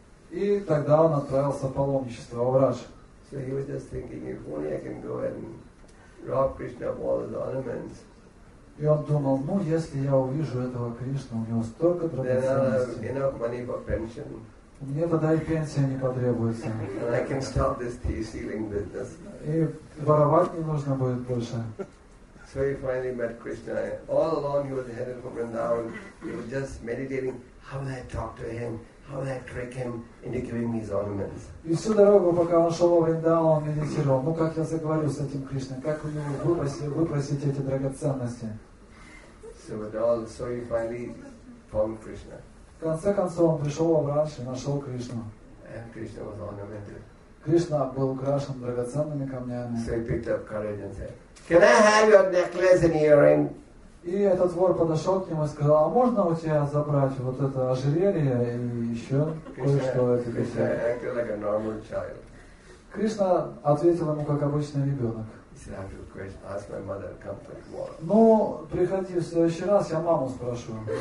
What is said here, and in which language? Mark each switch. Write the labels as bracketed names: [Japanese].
[Russian] И тогда он отправился в паломничество в Врадж. [English] So he was just thinking, if only I can go and rob Krishna of all his ornaments. [Russian] И он думал, ну если я увижу этого Кришну, у него столько драгоценностей. Мне тогда и пенсия не потребуется. [English] And I can stop this tea stealing business. [Russian] И воровать не нужно будет больше. [English] So he finally met Krishna. All along he was headed for Vrindavan. He was just meditating, how will I talk to him? How will I trick him into giving me his ornaments? [Russian] И всю дорогу, пока он шел в Вриндаван, он медитировал. Ну как я заговорю с этим Кришной? Как у него выпросить эти драгоценности? [English] So he finally found Krishna. [Russian] В конце концов, он пришел во Врадж и нашел Кришну. [English] And Krishna was ornamented. [Russian] Кришна был украшен драгоценными камнями. [English] So he picked up courage and said, "Can I have your necklace and earring?" [Russian] И этот вор подошел к нему и сказал, а можно у тебя забрать вот это ожерелье и еще кое-что? [English] Krishna acted like a normal child. [Russian] Кришна ответил ему, как обычный ребенок. [English] Ask my mother, come to war. [Russian] Ну, приходи в следующий раз, я маму спрошу.